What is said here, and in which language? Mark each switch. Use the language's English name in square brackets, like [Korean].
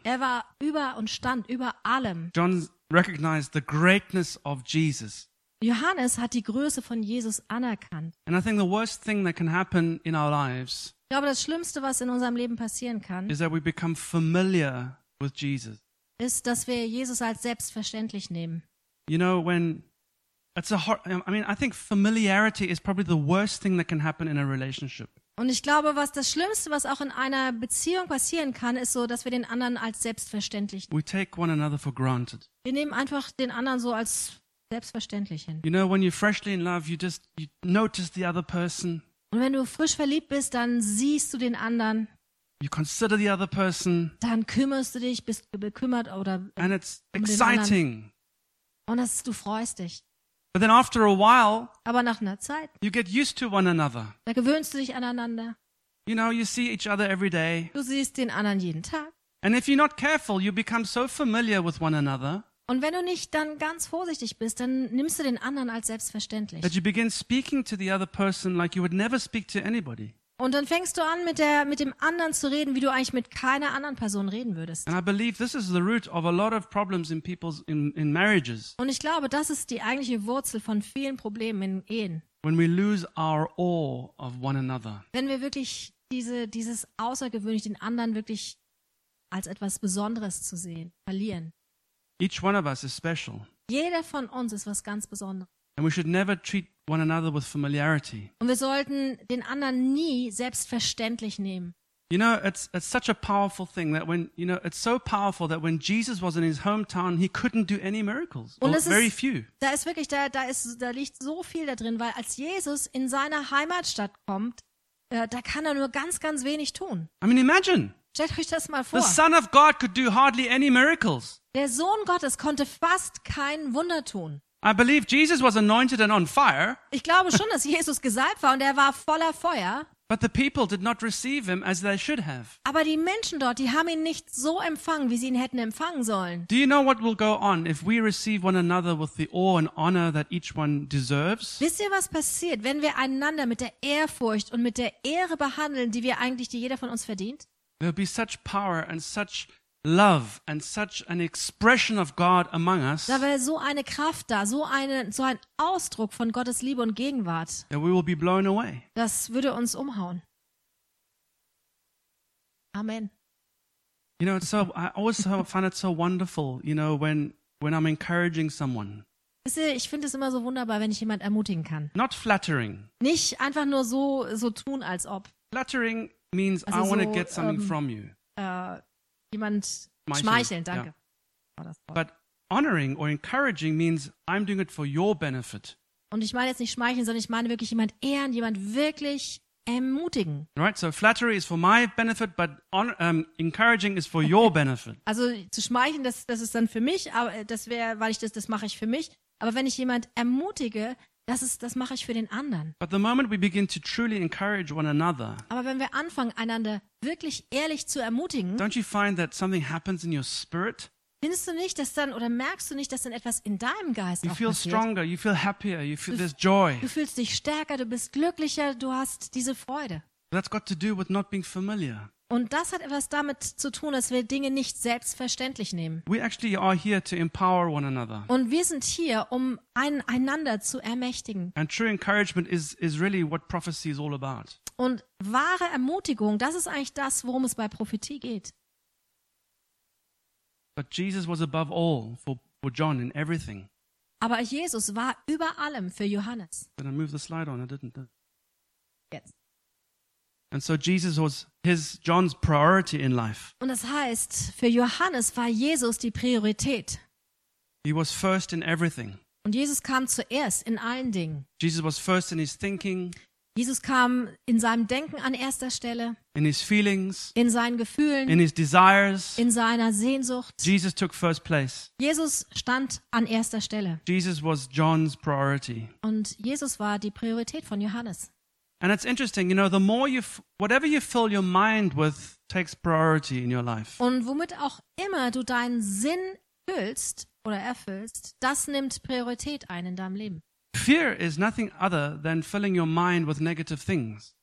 [German] Er war über und stand über allem. [English] John recognized the greatness of Jesus. [German] Johannes hat die Größe von Jesus anerkannt. [English] And I think the worst thing that can happen in our lives. [German] Ich glaube, das Schlimmste, was in unserem Leben passieren kann, [English] is that we become familiar with Jesus. [German] Ist, dass wir Jesus als selbstverständlich nehmen. [English] You know, when it's I think familiarity is probably the worst thing that can happen in a relationship. [German] Und ich glaube, was das Schlimmste, was auch in einer Beziehung passieren kann, ist so, dass wir den anderen als selbstverständlich nehmen. [English] We take one another for granted. [German] Wir nehmen einfach den anderen so als selbstverständlich hin. [English] You know, when you're freshly in love, you notice the other person. [German] Und wenn du frisch verliebt bist, dann siehst du den anderen. [English] You consider the other person. [German] Dann kümmerst du dich, bist bekümmert oder [English] and it's exciting. [German] Und das, du freust dich. [English] But then after a while, [German] aber nach einer Zeit, [English] you get used to one another. [German] Da gewöhnst du dich aneinander. [English] You know, you see each other every day. [German] Du siehst den anderen jeden Tag. [English] And if you're not careful, you become so familiar with one another. [German] Und wenn du nicht dann ganz vorsichtig bist, dann nimmst du den anderen als selbstverständlich. [English] That you begin speaking to the other person like you would never speak to anybody. [German] Und dann fängst du an, mit dem anderen zu reden, wie du eigentlich mit keiner anderen Person reden würdest. [English] And I believe this is the root of a lot of problems in people's in marriages. [German] Und ich glaube, das ist die eigentliche Wurzel von vielen Problemen in Ehen. [English] When we lose our awe of one another. [German] Wenn wir wirklich dieses außergewöhnlich den anderen wirklich als etwas Besonderes zu sehen, verlieren. [English] Each one of us is special. [German] Jeder von uns ist was ganz Besonderes. [English] And we should never treat one another with familiarity. [German] Und wir sollten den anderen nie selbstverständlich nehmen. [English] You know, it's such a powerful thing that when, you know, it's so powerful that when Jesus was in his hometown, he couldn't do any miracles, or very few. [German] Da ist wirklich, da liegt so viel da drin, weil als Jesus in seiner Heimatstadt kommt, da kann er nur ganz, ganz wenig tun. [English] I mean, imagine. [German] Stellt euch das mal vor. [English] The Son of God could do hardly any miracles. [German] Der Sohn Gottes konnte fast kein Wunder tun. [English] I believe Jesus was anointed and on fire. [German] Ich glaube schon, dass Jesus gesalbt war und er war voller Feuer. [English] But the people did not receive him as they should have. [German] Aber die Menschen dort, die haben ihn nicht so empfangen, wie sie ihn hätten empfangen sollen. [English] Do you know what will go on if we receive one another with the awe and honor that each one deserves? [German] Wisst ihr, was passiert, wenn wir einander mit der Ehrfurcht und mit der Ehre behandeln, die wir eigentlich, die jeder von uns verdient? [English] There'll be such power and such love and such an expression of God among us. [German] Da wäre so eine Kraft da, so ein Ausdruck von Gottes Liebe und Gegenwart. [English] That we will be blown away. [German] Das würde uns umhauen. [English] Amen. You know, it's so, I always find it so wonderful, you know, when I'm encouraging someone. [German] Ich finde es immer so wunderbar, wenn ich jemand ermutigen kann. [English] Not flattering. [German] Nicht einfach nur so tun, als ob. [English] Flattering means [German] also [English] I want to get something from you. [German] Jemand schmeicheln, danke. [English] Yeah. But honoring or encouraging means I'm doing it for your benefit. [German] Und ich meine jetzt nicht schmeicheln, sondern ich meine wirklich jemand ehren, jemand wirklich ermutigen. [English] Right, so flattery is for my benefit, but encouraging is for your benefit. [German] Also zu schmeicheln, das ist dann für mich, aber das wäre, weil ich das mache ich für mich. Aber wenn ich jemand ermutige, das mache ich für den anderen. [English] But the moment we begin to truly encourage one another. [German] Aber wenn wir anfangen, einander wirklich ehrlich zu ermutigen. [English] Don't you find that something happens in your spirit? [German] Findest du nicht, dass dann oder merkst du nicht, dass dann etwas in deinem Geist [English] you [German] auch [English] feel [German] passiert? [English] Stronger, you feel happier, you feel there's joy. [German] Du fühlst dich stärker, du bist glücklicher, du hast diese Freude. [English] That's got to do with not being familiar. [German] Und das hat etwas damit zu tun, dass wir Dinge nicht selbstverständlich nehmen. [English] We actually are here to empower one another. [German] Und wir sind hier, um einander zu ermächtigen. [English] And true encouragement is really what prophecy is all about. [German] Und wahre Ermutigung, das ist eigentlich das, worum es bei Prophetie geht. [English] But Jesus was above all for John in everything. [German] Aber Jesus war über allem für Johannes. [English] Did I move the slide on? I didn't. [German] Jetzt. [English] And so Jesus was John's priority in life. [German] Und das heißt, für Johannes war Jesus die Priorität. [English] He was first in everything. [German] Und Jesus kam zuerst in allen Dingen. [English] Jesus was first in his thinking. [German] Jesus kam in seinem Denken an erster Stelle. [English] In his feelings. [German] In seinen Gefühlen. [English] In his desires. [German] In seiner Sehnsucht. [English] Jesus took first place. [German] Jesus stand an erster Stelle. [English] Jesus was John's priority. [German] Und Jesus war die Priorität von Johannes. [English] And it's interesting, you know, the more you whatever you fill your mind with takes priority in your life. [German] Und womit auch immer du deinen Sinn füllst oder erfüllst, das nimmt Priorität ein in deinem Leben. [English] Fear is nothing other than filling your mind with negative things.